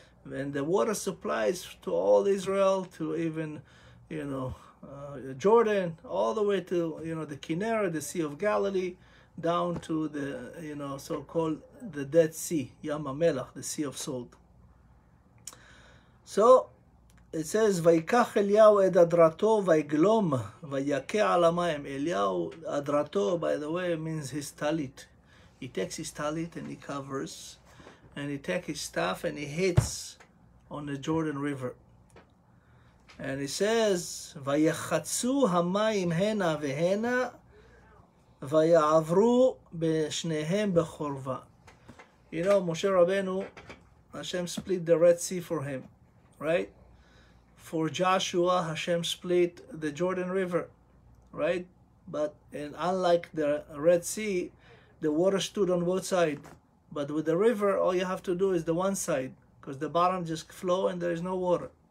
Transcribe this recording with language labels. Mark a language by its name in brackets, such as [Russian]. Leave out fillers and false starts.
[English] And the water supplies to all Israel, to even, you know, Jordan, all the way to, you know, the Kinneret, the Sea of Galilee, down to the, you know, so-called the Dead Sea, Yam HaMelech, the Sea of Salt. So it says, [Hebrew] ויקח אליהו את אדרתו ויגלום ויקה על המים. [English] אליהו, אדרתו, by the way, means his talit. He takes his talit and he covers, and he takes his staff and he hits on the Jordan River. And he says, [Hebrew] ויחצו המים הנה והנה ויעברו בשניהם בחורבה. [English] You know, Moshe Rabbeinu, Hashem split the Red Sea for him. Right? For Joshua, Hashem split the Jordan River, right? But and unlike the Red Sea, the water stood on both sides. But with the river, all you have to do is the one side, because the bottom just flow and there is no water.